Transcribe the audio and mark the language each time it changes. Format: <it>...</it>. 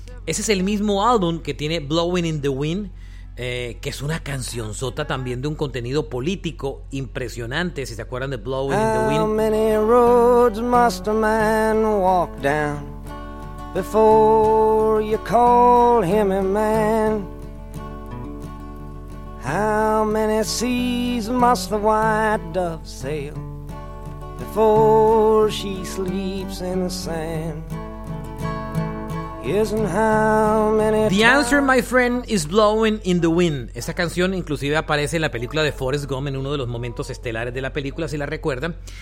<es>Ese es el mismo álbum que tiene Blowing in the Wind, que es una canción sota también de un contenido político impresionante, si se acuerdan de Blowing in the Wind.</es> <en>How many roads must a man walk down before you call him a man? How many seas must the white dove sail before she sleeps in the sand? Isn't how many... The answer, my friend, is blowing in the wind.</en> <es>Esta canción inclusive aparece en la película de Forrest Gump, en uno de los momentos estelares de la película, si la recuerdan.</es>